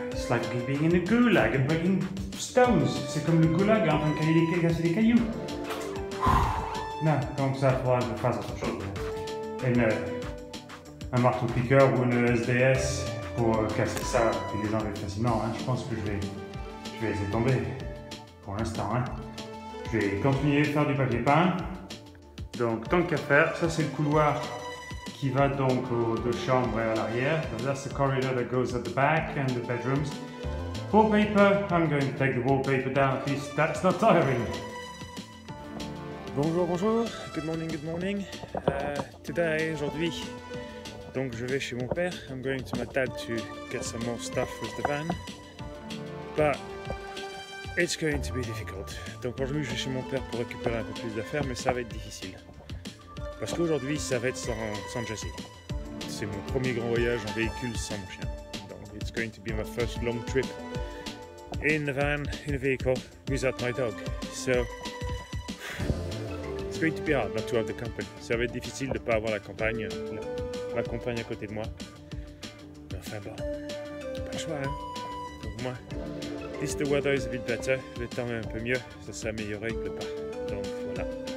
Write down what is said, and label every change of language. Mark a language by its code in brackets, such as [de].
[en] Like being in a gulag and breaking stones. [fr] C'est comme le gulag en train de casser des cailloux. Non, donc ça, il faudra que je fasse autre chose. Un marteau piqueur ou une SDS pour casser ça et les enlever facilement. Hein. Je pense que je vais laisser tomber pour l'instant. Hein. Je vais continuer à faire du papier peint. Donc, tant qu'à faire, ça c'est le couloir qui va donc aux deux chambres et à l'arrière. [en] That's the corridor that goes at the back and the bedrooms. wallpaper. I'm going to take the wallpaper down because that's not tiring. [fr] Bonjour, bonjour. [en] Good morning, good morning. [fr] Today, aujourd'hui, donc je vais chez mon père. [en] I'm going to my dad to get some more stuff with the van. But it's going to be difficult. [fr] Donc aujourd'hui, je vais chez mon père pour récupérer un peu plus d'affaires, mais ça va être difficile. Parce qu'aujourd'hui, ça va être sans Jesse. C'est mon premier grand voyage en véhicule sans mon chien. [en] Donc, it's going to be my first long trip in the van, in the vehicle, without my dog. So, it's going to be hard not to have the company. [fr] Ça va être difficile de ne pas avoir la compagne à côté de moi. Mais enfin, bon, pas le choix, hein. Donc, moi, [en] if the weather is a bit better, [fr] le temps est un peu mieux, ça s'est amélioré, il ne pleut pas. Donc, voilà.